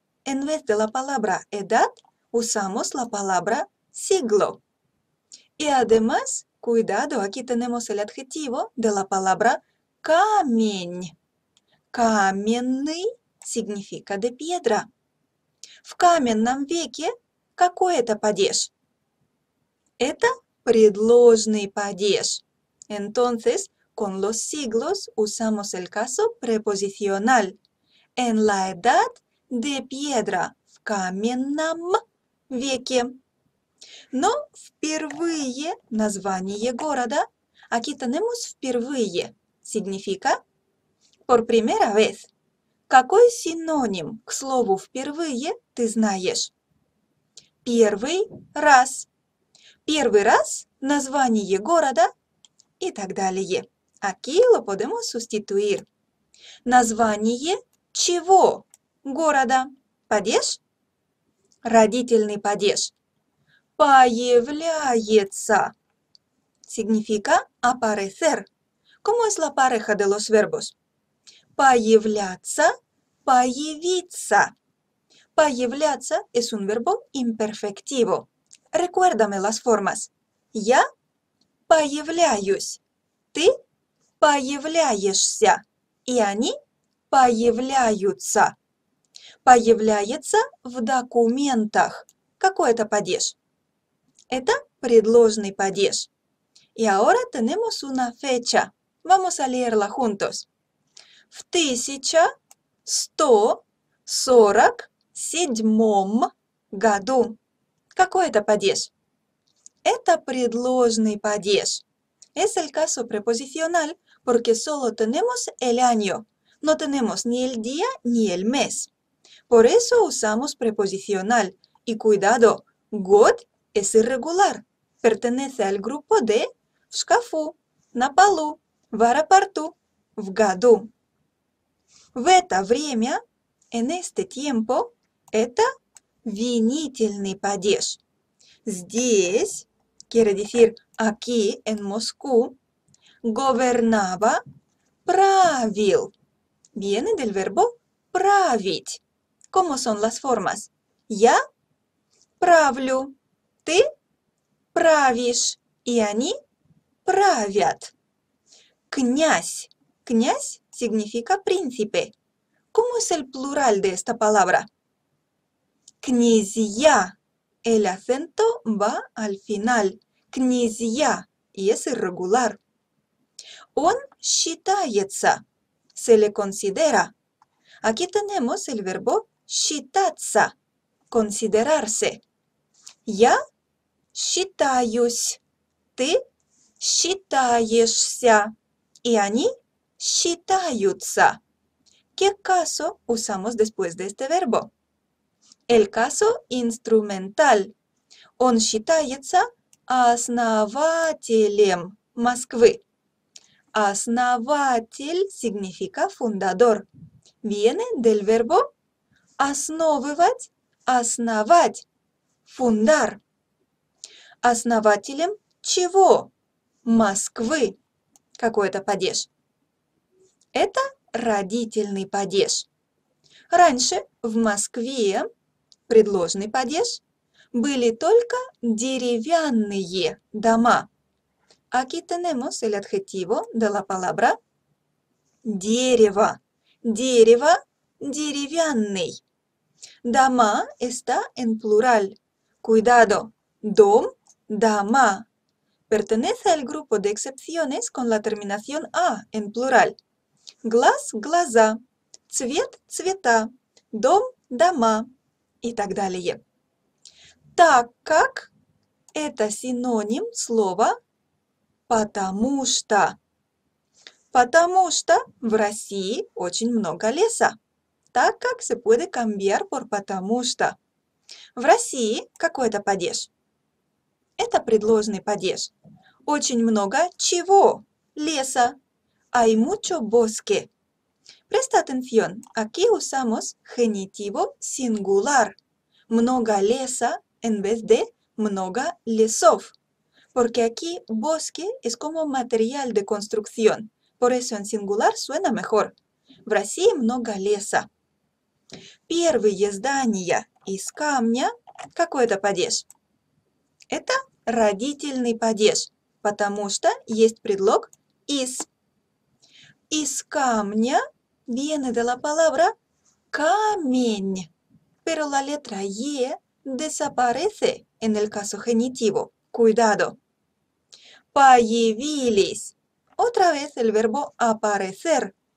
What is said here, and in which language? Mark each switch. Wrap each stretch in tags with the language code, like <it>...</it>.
<es>En vez de la palabra edad, usamos la palabra siglo. Y además, cuidado, aquí tenemos el adjetivo de la palabra камень. Каменный significa de piedra.</es> <ru>В каменном веке какой это падеж? Это предложный падеж.</ru> <es>Entonces, con los siglos usamos el caso preposicional. En la edad de piedra,</es> <ru>в каменном веке. Но впервые название города,</ru> <es>aquí tenemos впервые, significa por primera vez.</es> <ru>Какой синоним к слову впервые ты знаешь? Первый раз. Первый раз название города и так далее.</ru> <es>Aquí lo podemos sustituir.</es> <ru>Название чего города? Падеж? Родительный падеж. Появляется.</ru> <es>Significa aparecer. ¿Cómo es la pareja de los verbos?</es> <ru>Появляться, появиться.</ru> <es>Появляться es un verbo imperfectivo. Recuérdame las formas.</es> <ru>Я появляюсь. Ты появляешься. И они появляются. Появляется в документах. Какой это падеж? Это предложный падеж.</ru> <es>И ahora tenemos una fecha. Vamos a leerla juntos.</es> <ru>В 1147 году. Какой это падеж? Это предложный падеж.</ru> <es>Es el caso preposicional porque solo tenemos el año. No tenemos ni el día ni el mes. Por eso usamos preposicional. Y cuidado, год es irregular. Pertenece al grupo de</es> <ru>в шкафу, на полу, в аэропорту, в году. В это время,</ru> <es>en este tiempo,</es> <ru>это винительный падеж.</ru> <es>Здесь, quiere decir aquí, en Moscú, gobernaba, правил. Viene del verbo править. ¿Cómo son las formas?</es> <ru>Я правлю. Ты правишь. И они правят. Князь.</ru> <es>Князь significa príncipe. ¿Cómo es el plural de esta palabra?</es> <ru>Князья.</ru> <es>El acento va al final. Князья. Y es irregular.</es> <ru>Он считается.</ru> <es>Se le considera. Aquí tenemos el verbo считаться. Considerarse.</es> <ru>Я считаюсь. Ты считаешься. И они считаются.</ru> <es>¿Qué caso usamos después de este verbo? El caso instrumental.</es> <ru>Он считается основателем Москвы.</ru> <es>Основатель significa fundador. Viene del verbo основывать, основать, fundar.</es> <ru>Основателем чего? Москвы. Какой это падеж? Это родительный падеж. Раньше в Москве предложный падеж были только деревянные дома.</ru> <es>Aquí tenemos el adjetivo de la palabra дерево.</es> <ru>Дерево – деревянный.</ru> <es>Дома – está en plural.</es> <ru>Cuidado. Дом – дома.</ru> <es>Pertenece al grupo de excepciones con la terminación «a» en plural.</es> <ru>Глаз – глаза. Цвет – цвета. Дом – дома. И так далее. Так как это синоним слова «потому что». Потому что в России очень много леса. Так как</ru> <es>se puede cambiar por</es> <ru>«потому что». В России какой это падеж? Это предложный падеж. Очень много чего? Леса.</ru> <es>Hay mucho bosque. Presta atención. Aquí usamos genitivo singular.</es> <ru>Много леса</ru> <es>en vez de</es> <ru>много лесов.</ru> <es>Porque aquí bosque es como material de construcción. Por eso en singular suena mejor.</es> <ru>В России много леса. Первые здания из камня. Какой это падеж? Это родительный падеж, потому что есть предлог из. Из камня</ru> <es>viene de la palabra камень. Pero la letra E desaparece en el caso genitivo. Cuidado. Появились. Otra vez el verbo aparecer.</es>